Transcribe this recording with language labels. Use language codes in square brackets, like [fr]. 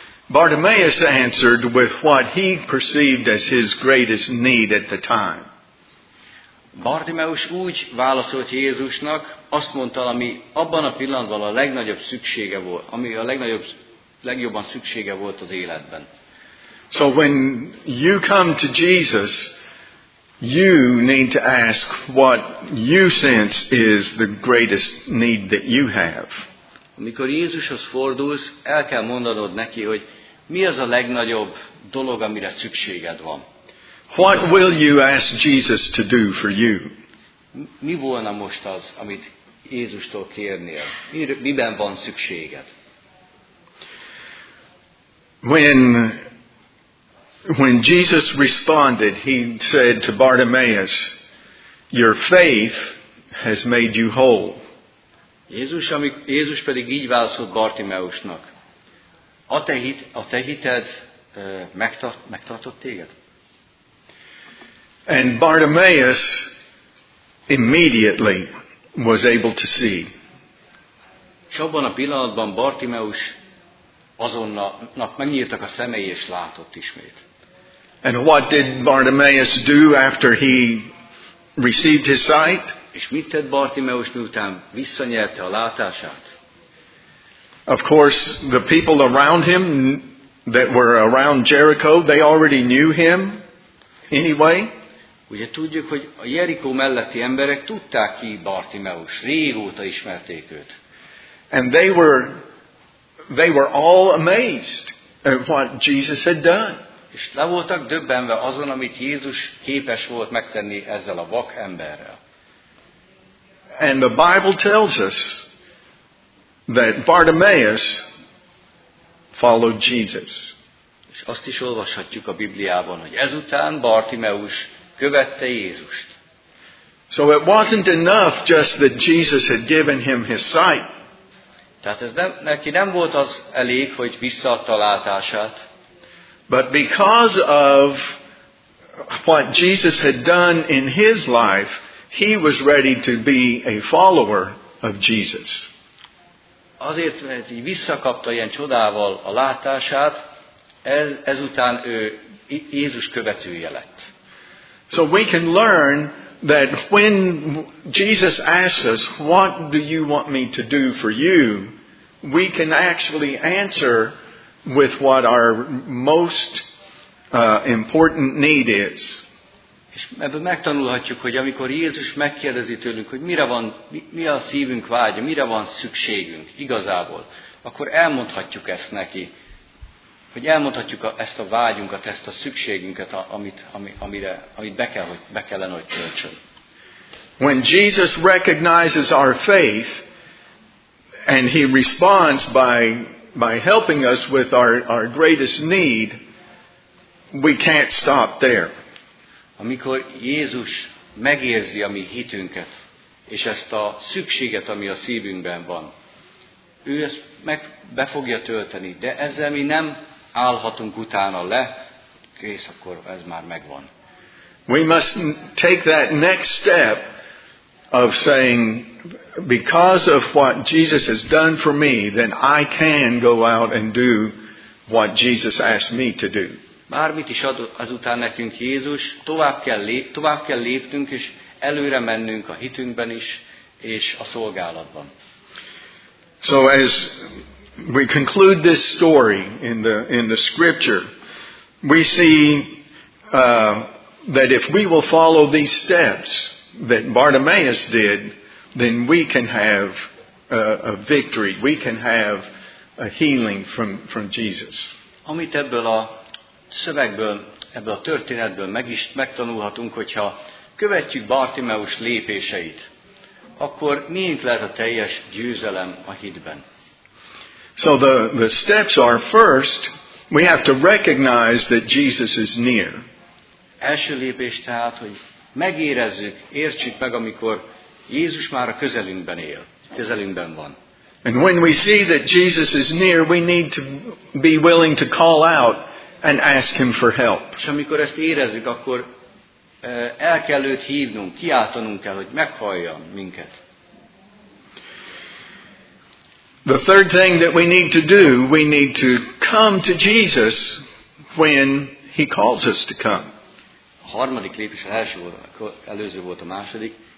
[en] Bartimaeus answered with what he perceived as his greatest need at the time. [hu] Bartimaeus úgy válaszolt Jézusnak, azt mondta, ami abban a pillanatban a legnagyobb szüksége volt, ami a legjobban szüksége volt az életben. [en] So when you come to Jesus, you need to ask what you sense is the greatest need that you have. [hu] Amikor Jézushoz fordulsz, el kell mondanod neki, hogy mi az a legnagyobb dolog, amire szükséged van. [en] What will you ask Jesus to do for you? [hu] Mi volna most az, amit Jézustól kérnél? Miben van szükséged? [en] When Jesus responded, he said to Bartimaeus, "Your faith has made you whole." [hu] Jézus pedig így válaszolt Bartimeusnak. A te hited megtartott téged? [en] And Bartimaeus immediately was able to see. [hu] És abban a pillanatban Bartimeus azonnal megnyíltak a szemei és látott ismét. [en] And what did Bartimaeus do after he received his sight? [hu] És mit tett Bartimeus, miután visszanyerte a látását? [en] Of course, the people around him that were around Jericho, they already knew him anyway. [hu] Ugye tudjuk, hogy a Jerikó melletti emberek tudták ki Bartimeus, régóta ismerték őt. [en] And they were all amazed at what Jesus had done. [hu] És le voltak döbbenve azon, amit Jézus képes volt megtenni ezzel a vak emberrel. [en] And the Bible tells us that Bartimaeus followed Jesus. [hu] És azt is olvashatjuk a Bibliában, hogy ezután Bartimeus követte Jézust. [en] So it wasn't enough just that Jesus had given him his sight. [hu] Tehát ez nem, neki nem volt az elég, hogy visszaadta a látását. [en] But because of what Jesus had done in his life, he was ready to be a follower of Jesus. [hu] Azért, mert így visszakapta ilyen csodával a látását, ezután ő Jézus követője lett. [en] So we can learn that when Jesus asks us, what do you want me to do for you, we can actually answer with what our most important need is. [hu] És ebből megtanulhatjuk, hogy amikor Jézus megkérdezi tőlünk, hogy mire van, mi a szívünk vágya, mire van szükségünk igazából, akkor elmondhatjuk ezt neki, hogy elmondhatjuk ezt a vágyunkat, ezt a szükségünket, amit be kellene, hogy töltsön. [en] When Jesus recognizes our faith, and he responds by helping us with our greatest need, we can't stop there. [hu] Amikor Jézus megérzi a mi hitünket, és ezt a szükséget, ami a szívünkben van, ő ezt be fogja tölteni, de ezzel mi nem állhatunk utána le, kész, akkor ez már megvan. [en] We must take that next step of saying, because of what Jesus has done for me, then I can go out and do what Jesus asked me to do. [hu] Bármit is ad azután nekünk Jézus, tovább kell léptünk, és előre mennünk a hitünkben is, és a szolgálatban. [en] So as we conclude this story in the scripture, we see that if we will follow these steps that Bartimaeus did, then we can have a victory, we can have a healing from Jesus. [hu] Amit ebből a szövegből, ebből a történetből megtanulhatunk, hogyha követjük Bartimeus lépéseit, akkor miénk lehet a teljes győzelem a hitben. [en] So the steps are, first, we have to recognize that Jesus is near. [hu] Első lépés tehát, hogy megérezzük, értsük meg, amikor Jézus már a közelünkben él, közelünkben van. [en] And when we see that Jesus is near, we need to be willing to call out and ask him for help. [hu] És amikor ezt érezzük, akkor el kell őt hívnunk, kiáltanunk kell, hogy meghallja minket. [en] The third thing that we need to do, we need to come to Jesus when he calls us to come. [hu] A harmadik lépés, az első volt, előző volt a második.